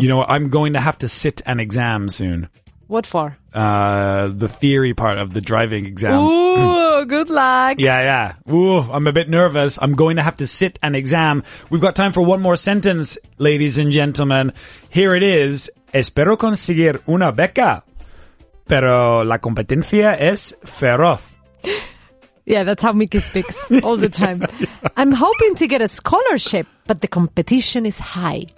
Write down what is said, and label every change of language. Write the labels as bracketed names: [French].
[English] You know what? I'm going to have to sit an exam soon. What for? The theory part of the driving exam. Ooh, good luck. Yeah. Ooh, I'm a bit nervous. I'm going to have to sit an exam. We've got time for one more sentence, ladies and gentlemen. Here it is. [Spanish] Espero conseguir una beca, pero la competencia es feroz. [English] Yeah, that's how Mickey speaks all the time. I'm hoping to get a scholarship, but the competition is high.